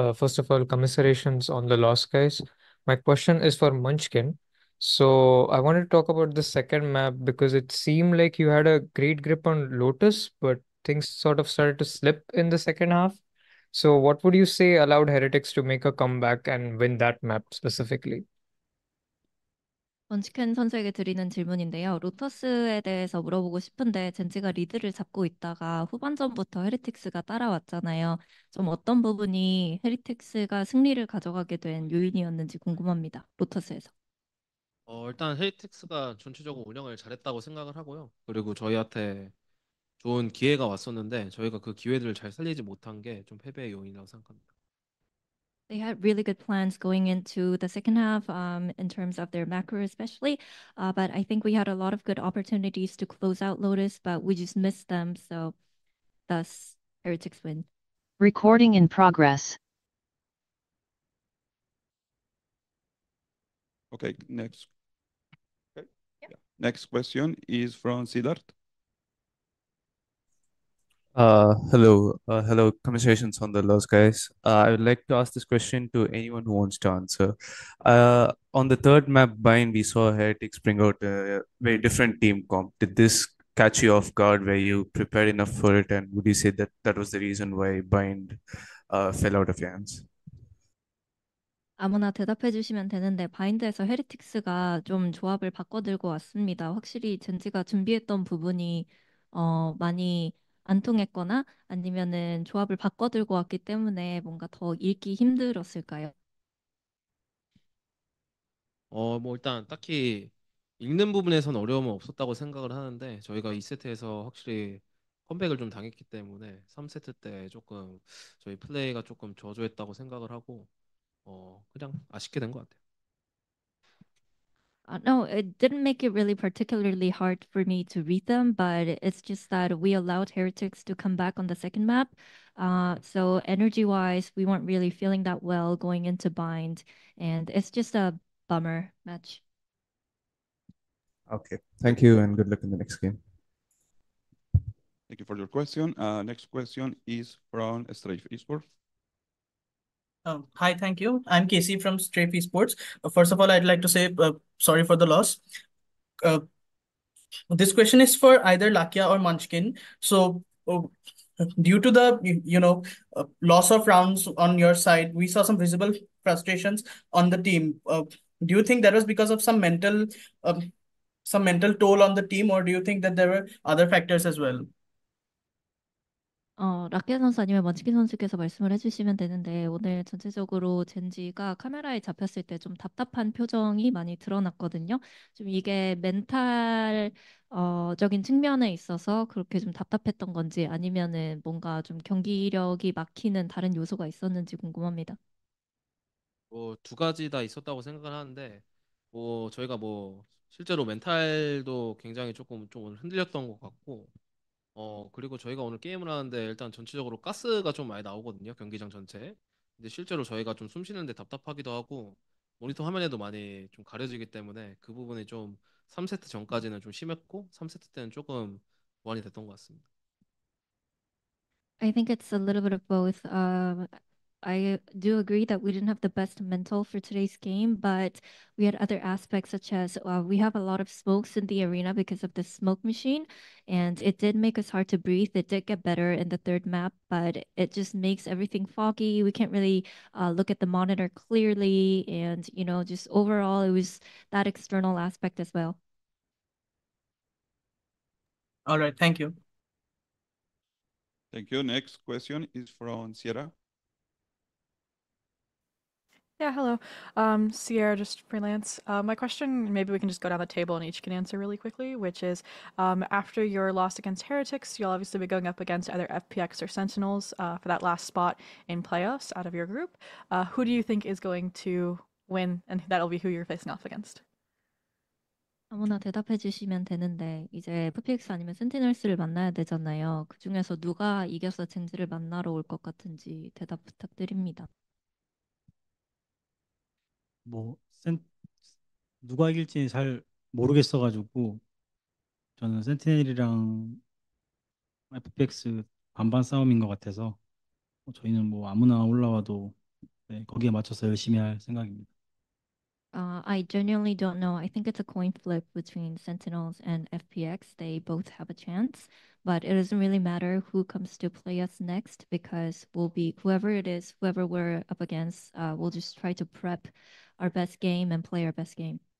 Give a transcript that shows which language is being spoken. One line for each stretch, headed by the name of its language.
English: First of all, commiserations on the loss, guys. My question is for Munchkin. So I wanted to talk about the second map because it seemed like you had a great grip on Lotus, but things sort of started to slip in the second half. So what would you say allowed Heretics to make a comeback and win that map specifically?
Korean: 먼치켄 선수에게 드리는 질문인데요. 로터스에 대해서 물어보고 싶은데 젠지가 리드를 잡고 있다가 후반전부터 헤리틱스가 따라왔잖아요. 좀 어떤 부분이 헤리틱스가 승리를 가져가게 된 요인이었는지 궁금합니다. 로터스에서. 일단 헤리틱스가 전체적으로 운영을 잘했다고 생각을 하고요. 그리고 저희한테 좋은 기회가 왔었는데 저희가 그 기회들을 잘 살리지 못한 게 좀 패배의 요인이라고 생각합니다.
English: They had really good plans going into the second half in terms of their macro especially. But I think we had a lot of good opportunities to close out Lotus, but we just missed them. So thus, Heretics win. Recording in progress. Okay, next. Okay. Yep. Next question is from Siddharth. Hello. Hello. Commiserations on the loss, guys. I would like to ask this question to anyone who wants to answer. On the third map, Bind, we saw Heretics bring out a very different team comp. Did this catch you off guard? Were you prepared enough for it? And would you say that that was the reason why Bind fell out of your hands?
Korean: 아무나 대답해 주시면 되는데 바인드에서 헤리틱스가 좀 조합을 바꿔들고 왔습니다. 확실히 젠지가 준비했던 부분이 많이 안 통했거나 아니면은 조합을 바꿔들고 왔기 때문에 뭔가 더 읽기 힘들었을까요? 일단 딱히 읽는 부분에선 어려움은 없었다고 생각을 하는데 저희가 2세트에서 확실히 컴백을 좀 당했기 때문에 3세트 때 조금 저희 플레이가 조금 저조했다고 생각을 하고 그냥 아쉽게 된 것 같아요.
English: No, it didn't make it really particularly hard for me to read them, but it's just that we allowed Heretics to come back on the second map. So energy-wise, we weren't really feeling that well going into Bind, and it's just a bummer match. Okay, thank you, and good luck in the next game. Thank you for your question. Next question is from Strafe Esports. Hi, thank you. I'm Casey from Strafe Esports. First of all, I'd like to say sorry for the loss. This question is for either Lakia or Munchkin. So due to the, loss of rounds on your side, we saw some visible frustrations on the team. Do you think that was because of some mental toll on the team, or do you think that there were other factors as well?
Korean: 라키아 선수 아니면 먼치킨 선수께서 말씀을 해주시면 되는데 오늘 전체적으로 젠지가 카메라에 잡혔을 때 좀 답답한 표정이 많이 드러났거든요. 좀 이게 멘탈적인 측면에 있어서 그렇게 좀 답답했던 건지 아니면은 뭔가 좀 경기력이 막히는 다른 요소가 있었는지 궁금합니다. 뭐 두 가지 다 있었다고 생각을 하는데 뭐 저희가 뭐 실제로 멘탈도 굉장히 조금 좀 오늘 흔들렸던 것 같고 그리고 저희가 오늘 게임을 하는데 일단 전체적으로 가스가 좀 많이 나오거든요, 경기장 전체에. 근데 실제로 저희가 좀 숨 쉬는데 답답하기도 하고 모니터 화면에도 많이 좀 가려지기 때문에 그 부분이 좀 3세트 전까지는 좀 심했고 3세트 때는 조금 보완이 됐던 것 같습니다.
English: I think it's a little bit of both. I do agree that we didn't have the best mental for today's game, but we had other aspects such as we have a lot of smokes in the arena because of the smoke machine, and it did make us hard to breathe. It did get better in the third map, but it just makes everything foggy. We can't really look at the monitor clearly, and just overall, it was that external aspect as well. All right, thank you. Thank you. Next question is from Sierra. Yeah, hello. Sierra, just freelance. My question, maybe we can just go down the table and each can answer really quickly, which is after your loss against Heretics, you'll obviously be going up against either FPX or Sentinels for that last spot in playoffs out of your group. Who do you think is going to win, and that'll be who you're facing off against?
Korean: 아무나 대답해 주시면 되는데 이제 FPX 아니면 센티널스를 만나야 되잖아요. 그중에서 누가 이겨서 젠지를 만나러 올것 같은지 대답 부탁드립니다. 뭐 누가 이길지 잘 모르겠어가지고 저는 센티넬이랑 FPX 반반 싸움인 것 같아서 저희는 뭐 아무나 올라와도 네, 거기에 맞춰서 열심히 할 생각입니다.
English: I genuinely don't know. I think it's a coin flip between Sentinels and FPX. They both have a chance, but it doesn't really matter who comes to play us next because we'll be whoever it is, whoever we're up against, we'll just try to prep our best game and play our best game.